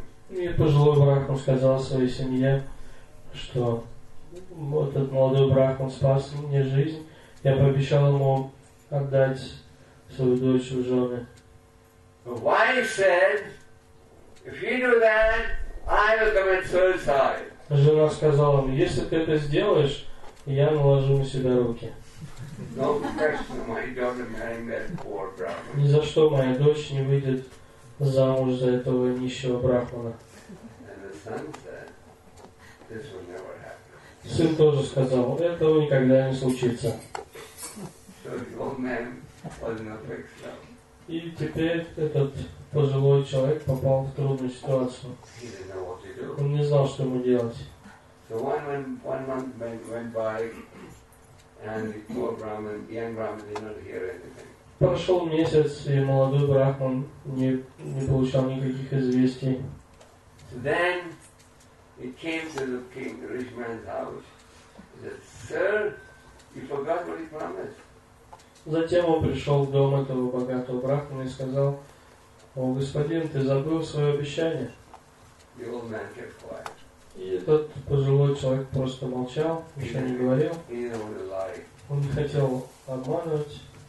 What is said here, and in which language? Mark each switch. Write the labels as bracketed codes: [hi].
[ru] И пожилой брахман сказал своей семье, что вот этот молодой брахман спас мне жизнь. Я пообещал ему отдать свою дочь в жены. [en] The wife said, if you do that, I will commit suicide. [ru] Жена сказала ему, если ты это сделаешь, я наложу на себя руки. [en] No question, my daughter marrying that poor brahman. [ru] Ни за что моя дочь не выйдет замуж за этого нищего брахмана. [en] And the son said, this will never happen. [ru] Сын тоже сказал, этого никогда не случится. [en] So the old man was in a fix now. [ru] И теперь этот пожилой человек попал в трудную ситуацию. [en] He didn't know what to do. [ru] Он не знал, что ему делать. [en] So one month went by. And the poor brahman, young brahman, did not hear anything. [ru] Прошел месяц, и молодой брахман не получал никаких известий. [en] So then he came to the king, the rich man's house. He said, "Sir, you forgot what he promised." [ru] Затем он пришел в дом этого богатого брахмана и сказал: "О господин, ты забыл свое обещание." [en] The old man kept quiet. [ru] И этот пожилой человек просто молчал, ничего не говорил. Он не хотел обманывать.